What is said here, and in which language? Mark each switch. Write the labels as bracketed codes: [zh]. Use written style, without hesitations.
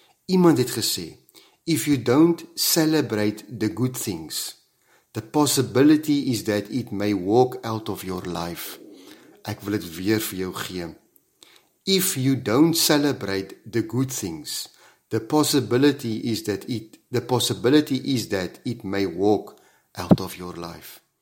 [af] Iemand het gesê, [en] if you don't celebrate the good things, the possibility is that it may walk out of your life. [af] Ek wil dit weer vir jou gee. [en] If you don't celebrate the good things, the possibility is that it may walk out of your life.